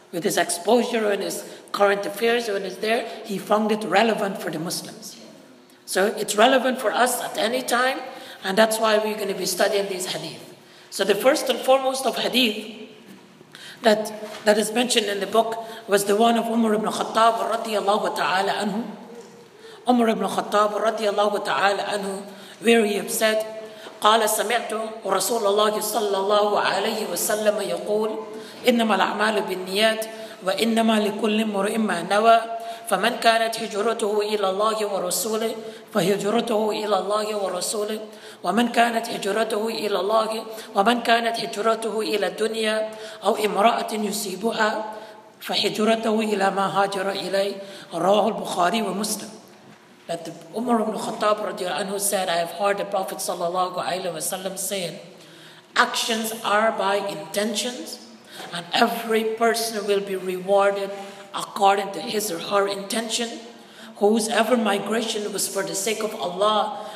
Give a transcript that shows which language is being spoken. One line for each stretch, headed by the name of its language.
English: With his exposure and his current affairs, when he's there, he found it relevant for the Muslims. So it's relevant for us at any time, and that's why we're going to be studying these hadith. So the first and foremost of hadith that is mentioned in the book was the one of Umar ibn Khattab radiyallahu ta'ala anhu. Umar ibn Khattab radiyallahu ta'ala anhu, where he have said,
Arabic: قال سمعت رسول الله صلى الله عليه وسلم يقول إنما الأعمال بالنيات وإنما لكل امرئ ما نوى فمن كانت هجرته إلى الله ورسوله فهجرته إلى الله ورسوله ومن كانت هجرته إلى الله ومن كانت هجرته إلى الدنيا أو امرأة يصيبها فهجرته إلى ما هاجر إليه رواه البخاري ومسلم.
English: That Umar ibn Khattab radiallahu anhu said, I have heard the Prophet sallallahu alaihi wasallam saying, actions are by intentions, and every person will be rewarded according to his or her intention. Whosoever migration was for the sake of Allah